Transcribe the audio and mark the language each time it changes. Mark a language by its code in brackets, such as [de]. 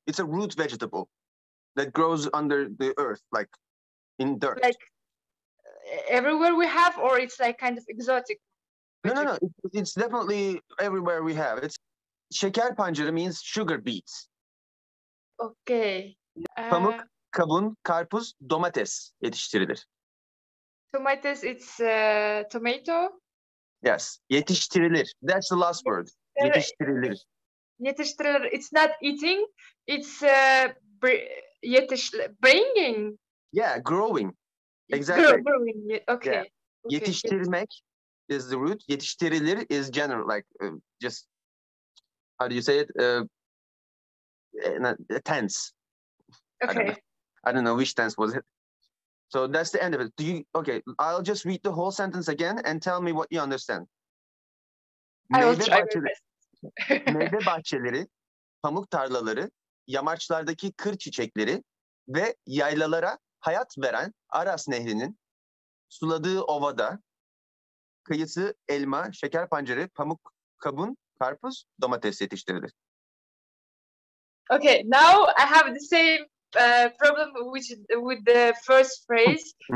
[en] It's a root vegetable that grows under the earth, like in dirt. Like everywhere we have, or it's like kind of exotic? No. It's definitely everywhere we have. It's şeker pancarı means sugar beets. Okay. [tr] Pamuk, kabun, karpuz, domates yetiştirilir. [en] Domates, it's tomato. Yes, yetiştirilir. That's the last word. Yetiştirilir. Yetiştirilir. It's not eating. It's bringing. Yeah, growing. Exactly. Growing. Okay. Yeah. Okay. Yetiştirmek. Is the root yetiştirilir is general, like just how do you say it? Tense. Okay. I don't know which tense was it. So that's the end of it. Do you okay? I'll just read the whole sentence again and tell me what you understand. [tr] Meyve bahçeleri, pamuk tarlaları, yamaçlardaki kır çiçekleri ve yaylalara hayat veren Aras Nehri'nin suladığı ovada. Kayısı, elma, şeker pancarı, pamuk, kabun, karpuz, domates yetiştirilir. [en] Okay, now I have the same problem with the first phrase.